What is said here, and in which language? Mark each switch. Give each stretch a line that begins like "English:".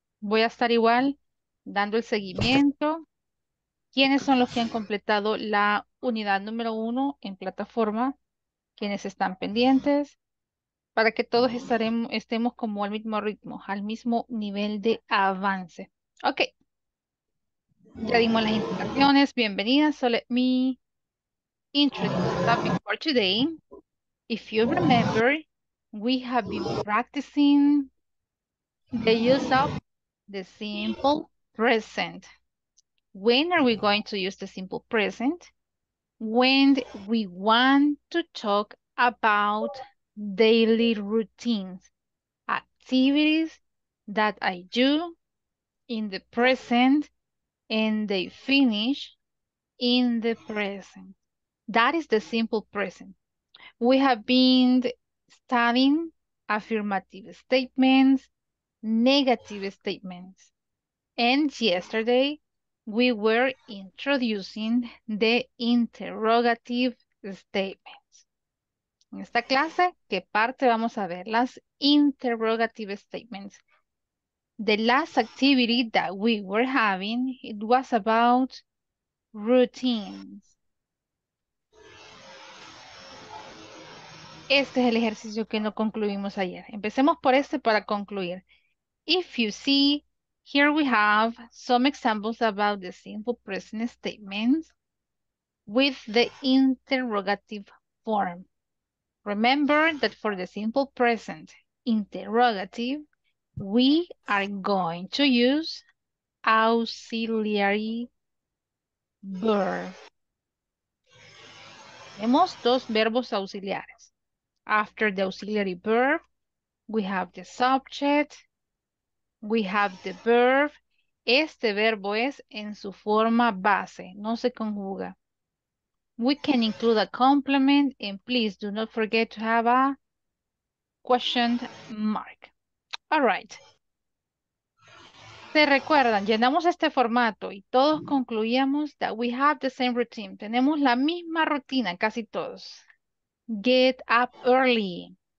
Spanish: Voy a estar igual dando el seguimiento. ¿Quiénes son los que han completado la unidad número 1 en plataforma? ¿Quiénes están pendientes? Para que todos estemos como al mismo ritmo, al mismo nivel de avance. Ok. Ya dimos las indicaciones. Bienvenida.
English: So let me introduce the topic for today. If you remember, we have been practicing the use of the simple present. When are we going to use the simple present? When we want to talk about daily routines, activities that I do in the present and they finish in the present. That is the simple present. We have been studying affirmative statements, negative statements, and yesterday, we were introducing the interrogative statements.
Spanish: En esta clase, ¿qué parte vamos a ver? Las interrogative statements.
English: The last activity that we were having, it was about routines.
Spanish: Este es el ejercicio que no concluimos ayer. Empecemos por este para concluir.
English: If you see, here we have some examples about the simple present statements with the interrogative form. Remember that for the simple present interrogative, we are going to use auxiliary verb.
Spanish: Tenemos dos verbos auxiliares.
English: After the auxiliary verb, we have the subject. We have the verb.
Spanish: Este verbo es en su forma base, no se conjuga.
English: We can include a complement and please do not forget to have a question mark. All right.
Spanish: ¿Se recuerdan? Llenamos este formato y todos concluíamos
English: that we have the same routine.
Spanish: Tenemos la misma rutina casi todos.
English: Get up early.